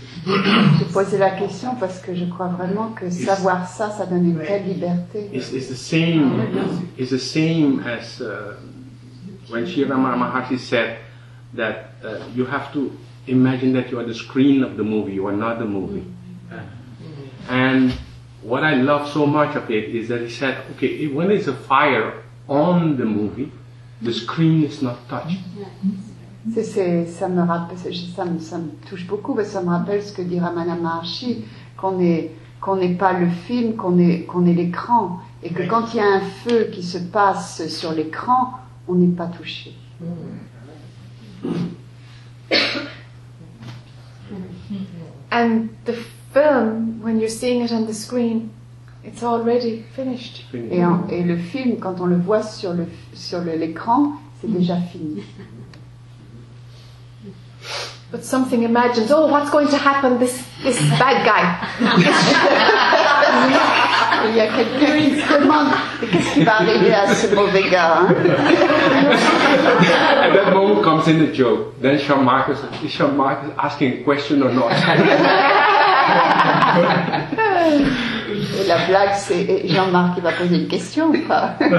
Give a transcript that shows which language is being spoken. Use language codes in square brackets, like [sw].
[fr] Je posais la question parce que je crois vraiment que savoir ça, ça donne une telle liberté. [en] It's the same as when Shiva Maharshi said that you have to imagine that you are the screen of the movie, you are not the movie. And what I love so much of it is that he said, okay, when there's a fire on the movie, the screen is not touched. [fr] Ça me touche beaucoup, mais ça me rappelle ce que dit Ramana Maharshi, qu'on n'est pas le film, qu'on est l'écran, et que quand il y a un feu qui se passe sur l'écran, on n'est pas touché. [en] And the film, when you're seeing it on the screen, it's already finished. [fr] Et le film, quand on le voit sur l'écran, c'est déjà fini. [en] But something imagines, oh, what's going to happen, this bad guy? [fr] Il y a quelqu'un qui se demande qu'est-ce qui va arriver à ce mauvais gars. [en] At that moment comes in the joke. Then Jean-Marcus, is Jean-Marcus asking a question or not? [fr] Et la blague, c'est Jean-Marc qui va poser une question ou pas?